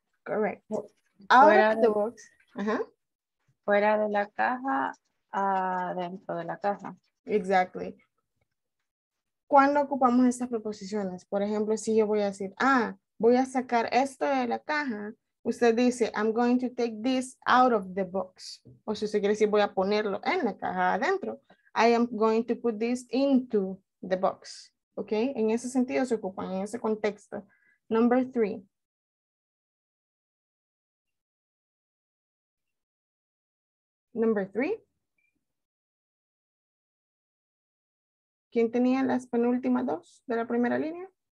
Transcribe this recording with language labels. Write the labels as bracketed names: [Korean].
[English] Correct. Out fuera of the box. Uh-huh. [Spanish] Fuera de la caja, dentro de la caja. Exactly. ¿Cuándo ocupamos estas preposiciones? Por ejemplo, si yo voy a decir, voy a sacar esto de la caja. Usted dice, [English] I'm going to take this out of the box. [Spanish] O si usted quiere decir, voy a ponerlo en la caja adentro. [English] I am going to put this into the box. [Spanish] ¿Ok? En ese sentido se ocupan, en ese contexto. [English] Number three. Number three. [Spanish] ¿Quién tenía las penúltimas dos de la primera línea?